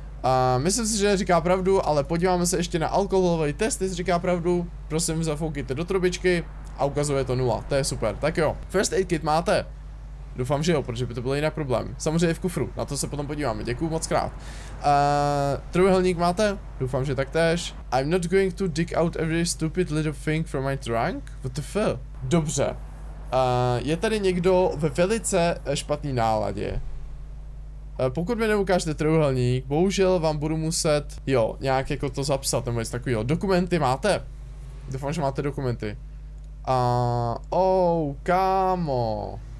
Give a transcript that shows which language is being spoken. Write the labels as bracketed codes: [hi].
[cs] A myslím si, že říká pravdu, ale podíváme se ještě na alkoholový test, jestli říká pravdu. Prosím, zafoukejte do trubičky a ukazuje to nula, to je super, tak jo. First aid kit máte? Doufám, že jo, protože by to byl jinak problém. Samozřejmě v kufru, na to se potom podíváme. Děkuju moc krát. Trojúhelník máte? Doufám, že taktéž. [en] I'm not going to dig out every stupid little thing from my trunk. What the fuck? Dobře. [cs] Je tady někdo ve velice špatný náladě. Pokud mi neukážete trojúhelník, bohužel vám budu muset, jo, nějak jako to zapsat, nebo jest takový, jo. Dokumenty máte? Doufám, že máte dokumenty. Oh, kámo.